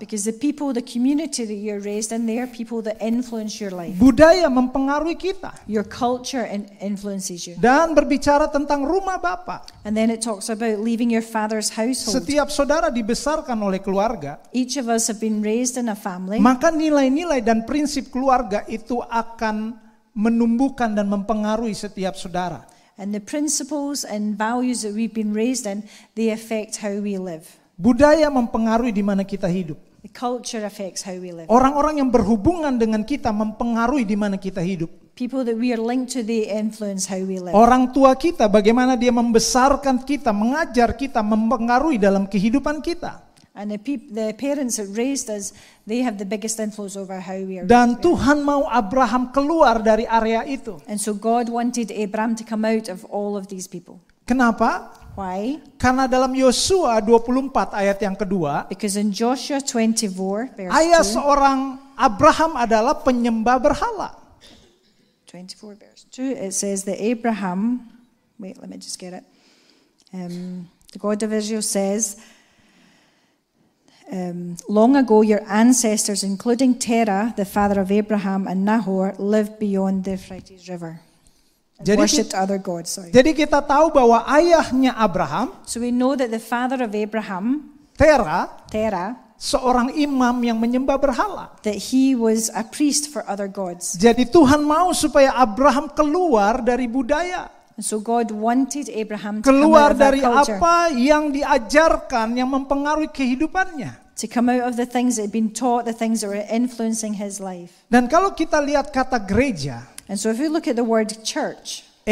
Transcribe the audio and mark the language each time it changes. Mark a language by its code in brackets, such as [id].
[en] Because the people, the community that you're raised in, they are people that influence your life. [id] Budaya mempengaruhi kita. [en] Your culture influences you. [id] Dan berbicara tentang rumah bapa. [en] And then it talks about leaving your father's household. [id] Setiap saudara dibesarkan oleh keluarga. [en] Each of us have been raised in a family. [id] Maka nilai-nilai dan prinsip keluarga itu akan menumbuhkan dan mempengaruhi setiap saudara. [en] And the principles and values that we've been raised in, they affect how we live. [id] Budaya mempengaruhi di mana kita hidup. [en] The culture affects how we live. [id] Orang-orang yang berhubungan dengan kita mempengaruhi di mana kita hidup. [en] People that we are linked to, they influence how we live. [id] Orang tua kita, bagaimana dia membesarkan kita, mengajar kita, mempengaruhi dalam kehidupan kita. [en] And the parents that raised us, they have the biggest influence over how we are. [id] Dan Tuhan mau Abraham keluar dari area itu. [en] And so God wanted Abraham to come out of all of these people. [id] Kenapa? [en] Why? [id] Karena dalam Yosua 24 ayat yang kedua. [en] Because in Joshua 24 verse 2. [id] Ayah seorang Abraham adalah penyembah berhala. [en] 24 verse 2, it says that Abraham, wait, let me just get it. The God of Israel says, long ago, your ancestors, including Terah, the father of Abraham and Nahor, lived beyond the Euphrates River and [id] jadi [en] worshipped other gods. Sorry. [id] Jadi kita tahu bahwa ayahnya Abraham, [en] so we know that the father of Abraham, [id] Terah, seorang imam yang menyembah berhala, [en] that he was a priest for other gods. [id] Jadi Tuhan mau supaya Abraham keluar dari budaya. [en] And so God wanted Abraham to [id] keluar [en] come out of [id] dari [en] culture, [id] apa yang diajarkan yang mempengaruhi kehidupannya. [en] To come out of the things that had been taught, the things that were influencing his life. [id] Dan kalau kita lihat kata gereja, [en] and so if we look at the word church,